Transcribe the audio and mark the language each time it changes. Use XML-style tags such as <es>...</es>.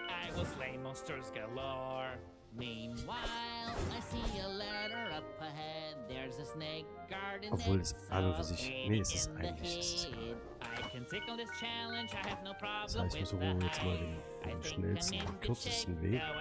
<en>I will slay monsters galore. Meanwhile, I see a ladder up ahead. There's a snake garden.</en> <de>Obwohl es an und für sich, nee, es ist eigentlich, es ist egal.</de> <en>I can tackle this challenge, I have no problem.</en> <de>Das heißt, wir suchen jetzt mal den schnellsten, kürzesten Weg.</de>